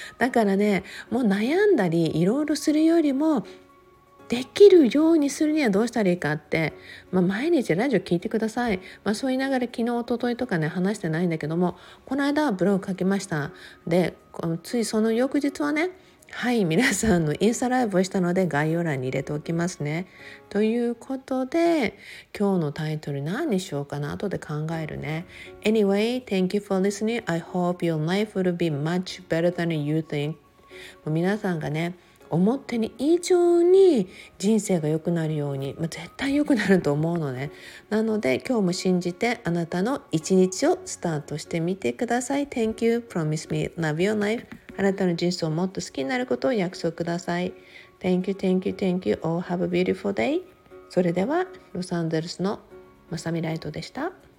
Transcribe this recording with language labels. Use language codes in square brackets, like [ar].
[ja] だからね、もう悩んだりいろいろするよりも、できるようにするにはどうしたらいいかって、まあ、毎日ラジオ聞いてください、まあ、そう言いながら昨日一昨日とかね、話してないんだけども、この間はブログ書きました。で、ついその翌日はね、はい、皆さんのインスタライブをしたので概要欄に入れておきますね。ということで、今日のタイトル何にしようかな、後で考えるね。 [en] Anyway, thank you for listening. I hope your life will be much better than you think. [ja] もう皆さんがね、思ってに以上に人生が良くなるように、まあ、絶対良くなると思うのね。なので今日も信じて、あなたの一日をスタートしてみてください。 [en] Thank you, promise me, love your life. [ja] あなたの人生をもっと好きになることを約束ください。 [en] Thank you, thank you, thank you. All have a beautiful day. [ja] それでは、ロサンゼルスのマサミライトでした。